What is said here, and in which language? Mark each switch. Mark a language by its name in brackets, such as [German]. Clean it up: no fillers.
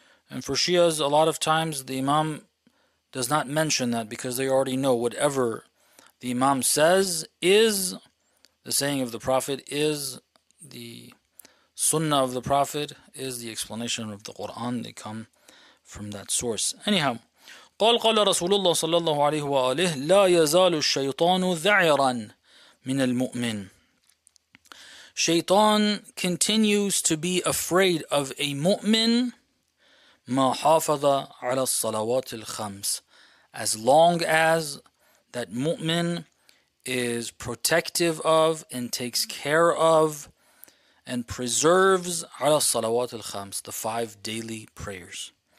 [English] And for Shias, a lot of times the Imam does not mention that because they already know whatever the Imam says is the saying of the Prophet, is the Sunnah of the Prophet, is the explanation of the Quran. They come from that source. Anyhow, [Arabic] قال قال رسول الله صلى الله عليه وآله لا يزال الشيطان ذعرا من المؤمن. [English] Shaitan continues to be afraid of a mu'min [Arabic] ما حافظ على الصلوات الخمس, [English] as long as that mu'min is protective of and takes care of and preserves [Arabic] على الصلوات الخمس, [English] the five daily prayers.